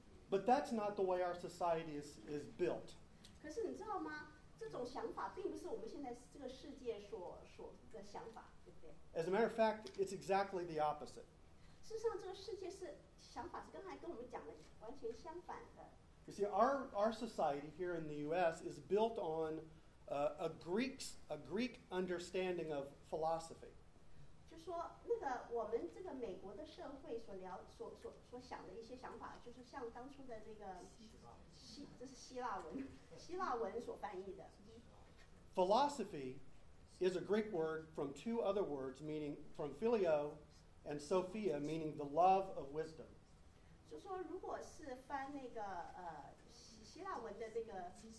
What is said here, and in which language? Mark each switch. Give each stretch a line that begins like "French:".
English: But that's not the way our society is built.
Chinese: 可是你知道吗？这种想法并不是我们现在这个世界所的想法，对不对？
English: As a matter of fact, it's exactly the opposite.
Chinese: 事实上，这个世界是想法是刚才跟我们讲的完全相反的。
English: You see, our society here in the U.S. is built on. A Greek understanding of philosophy.
Chinese: 就说那个我们这个美国的社会所聊所想的一些想法，就是像当初的那个希腊文所翻译的。
English: Philosophy is a Greek word from two other words meaning from philo and sophia, meaning the love of wisdom.
Chinese: 就说如果是翻那个希腊文的那个。